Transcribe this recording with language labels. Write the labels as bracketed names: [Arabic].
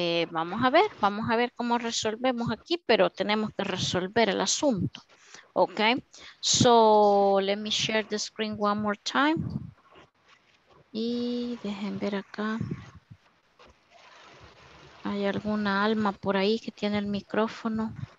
[Spanish] Vamos a ver cómo resolvemos aquí, pero tenemos que resolver el asunto. [English] Okay, so let me share the screen one more time. [Spanish] Y dejen ver acá. ¿Hay alguna alma por ahí que tiene el micrófono?